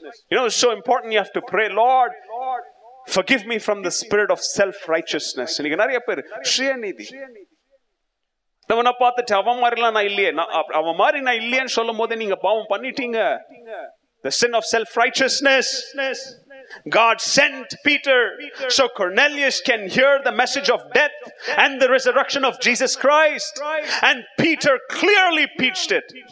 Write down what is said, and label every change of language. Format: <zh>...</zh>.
<en>You know, it's so important, you have to pray, Lord, forgive me from the spirit of self righteousness.</en> <ta>இங்க நிறைய பேர் சுயநீதி, நம்ம பார்த்துட்டு அவன் மாதிரி நான் இல்லையே, அவன் மாதிரி நான் இல்லையேன்னு சொல்லும் போது நீங்க பாவம் பண்ணிட்டீங்க.</ta> <en>The sin of self righteousness. God sent Peter so Cornelius can hear the message of death and the resurrection of Jesus Christ, and Peter clearly preached it.</en>